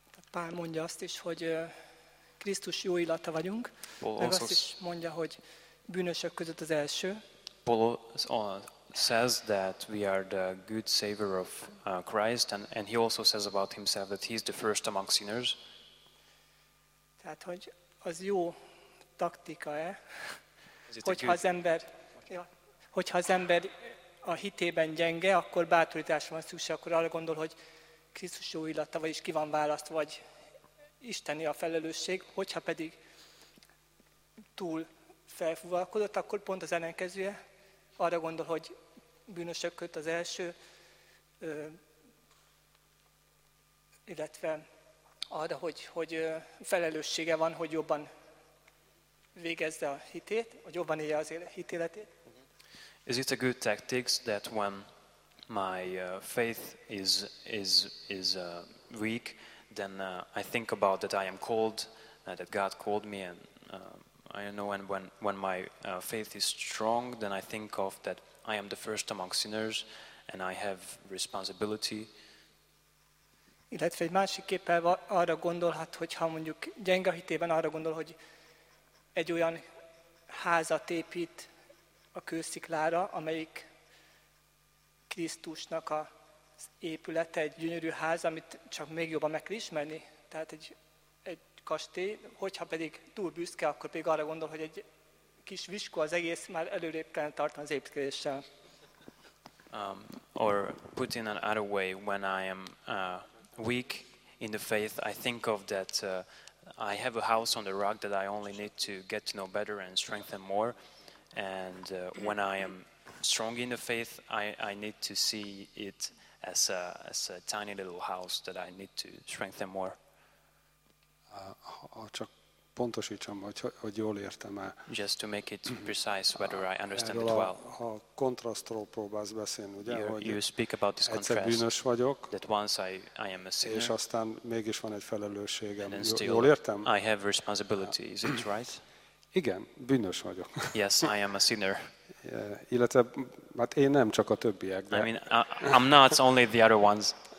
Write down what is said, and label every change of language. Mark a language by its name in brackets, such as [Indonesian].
[Hungarian] Pál mondja azt is, hogy Krisztus jó illata vagyunk, meg azt is mondja, hogy bűnösök között az első. [English] Paul says that we are the good savior of Christ, and he also says about himself that he's the first among sinners. [Hungarian] Tehát, hogy az jó taktika-e, hogyha az ember a hitében gyenge, akkor bátorításra van szükség, akkor arra gondol, hogy Krisztus jó illata, vagyis ki van választva, vagy isteni a felelősség, hogyha pedig túl felfúvalkodott, akkor pont az ellenkezője arra gondol, hogy bűnösök között az első, illetve arra, hogy felelőssége van, hogy jobban végezze a hitét, hogy jobban élje az hitéletét. [English] Is it a good tactics that when my faith is weak, then I think about that I am called, that God called me, and I don't know, and when my faith is strong, then I think of that I am the first among sinners, and I have responsibility. [Hungarian] Illetve egy másik képpel arra gondolhat, hogy ha mondjuk gyenge hitében arra gondol, hogy egy olyan házat épít a kősziklára, amelyik Krisztusnak az épülete, egy gyönyörű ház, amit csak még jobban meg kell ismerni, tehát egy kastély, hogyha pedig túl büszke, akkor pedig arra gondol, hogy egy kis viskó az egész már előrébb kellene tartani az építkezéssel. [English] Or put in another way, when I am weak in the faith, I think of that I have a house on the rock that I only need to get to know better and strengthen more. And when I am strong in the faith, I need to see it as a tiny little house that I need to strengthen more. [Hungarian] Csak pontosítsam, hogy jól értem-e. [English] Just to make it precise, whether I understand it well. [Hungarian] A kontrasztról próbálsz beszélni, ugye? [English] You speak about this contrast. [Hungarian] Egyszer bűnös vagyok. [English] That once I am a sinner. [Hungarian] És aztán mégis van egy felelősségem. Jól értem? [English] I have responsibility. Is it right? [Hungarian] Igen, bűnös vagyok. [English] Yes, I am a sinner. [Hungarian] Illetve, hát én nem, csak a többiek. De... [English] I mean, I'm not only the other ones.